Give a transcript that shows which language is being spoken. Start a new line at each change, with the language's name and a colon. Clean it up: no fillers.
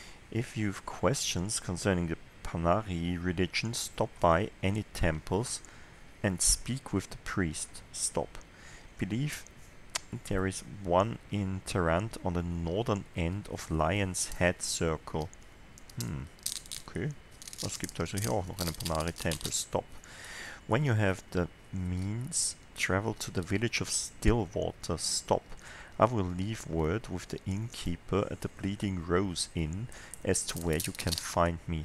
English: If you have questions concerning the Panari religion, stop by any temples. and speak with the priest. Stop. Believe there is one in Tarant on the northern end of Lion's Head Circle. Okay.
German: Es gibt also hier auch noch einen Ponari-Tempel.
English: Stop. When you have the means, travel to the village of Stillwater. Stop. I will leave word with the innkeeper at the Bleeding Rose Inn as to where you can find me.